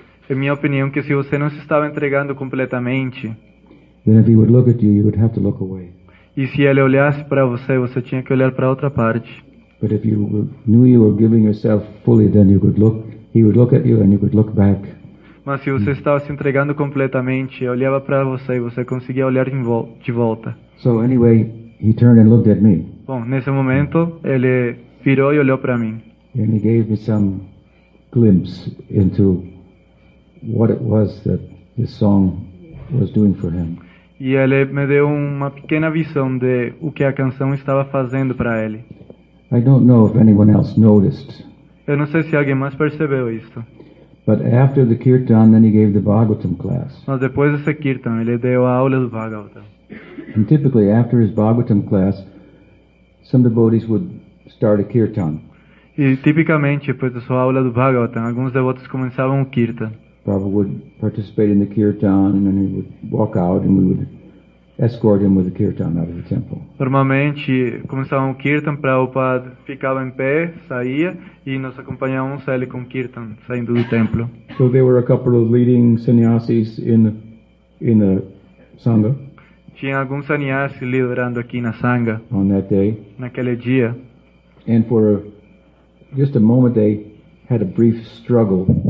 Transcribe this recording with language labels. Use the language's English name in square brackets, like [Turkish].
[Portuguese] é minha opinião que se você não se estava entregando completamente, [English] then if he would look at you, you would have to look away. [Portuguese] E se ele olhasse para você, você tinha que olhar para outra parte. [English] But if you knew you were giving yourself fully, then you could look. He would look at you and you could look back. [Portuguese] Mas se você estava se entregando completamente, eu olhava para você e você conseguia olhar de volta. [English] So anyway, he turned and looked at me. [Portuguese] Bom, nesse momento, ele virou e olhou para mim. [English] And he gave me some glimpse into what it was that this song was doing for him. [Portuguese] E ele me deu uma pequena visão de o que a canção estava fazendo para ele. [English] I don't know if anyone else noticed. [Portuguese] Eu não sei se alguém mais percebeu isso. [English] But after the kirtan, then he gave the Bhagavatam class. [Portuguese] Mas depois desse kirtan, ele deu a aula do Bhagavatam. [English] And typically, after his Bhagavatam class, some devotees would start a kirtan. [Portuguese] E tipicamente, depois da sua aula do Bhagavatam, alguns devotos começavam o kirtan. [English] Prabhupada would participate in the kirtan, and then he would walk out, and we would escort him with the kirtan out of the temple. [Portuguese] Normalmente, começavam o kirtan, Prabhupada ficava em pé, saía, e nós acompanhávamos ele com o kirtan, saindo do templo. [English] So there were a couple of leading sannyasis in the sangha. [Portuguese] Tinha alguns sannyasis liderando aqui na sangha. [English] On that day. [Portuguese] Naquele dia. [English] And for just a moment, they had a brief struggle.